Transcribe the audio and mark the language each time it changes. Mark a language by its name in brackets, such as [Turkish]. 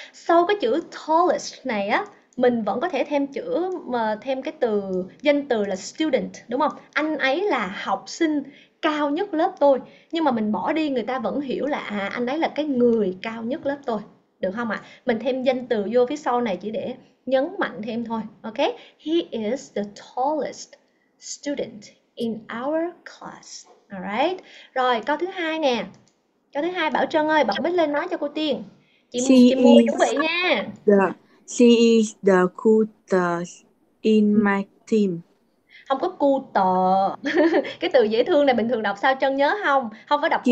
[Vietnamese] Sau cái chữ tallest này á, mình vẫn có thể thêm chữ mà thêm cái từ danh từ là student đúng không? Anh ấy là học sinh cao nhất lớp tôi. Nhưng mà mình bỏ đi người ta vẫn hiểu là à, anh ấy là cái người cao nhất lớp tôi. Được không ạ? À? Mình thêm danh từ vô phía sau này chỉ để nhấn mạnh thêm thôi. [English] Ok? He is the tallest student in our class. [Vietnamese] Alright. Rồi, câu thứ hai nè. Câu thứ hai Bảo Trân ơi, bật mic lên nói cho cô Tiên. Chị mua chuẩn bị nha. [English] She is the coolest [Vietnamese] Không có cu tờ. Cái từ dễ thương này bình thường đọc sao Trân nhớ không? Không có đọc cu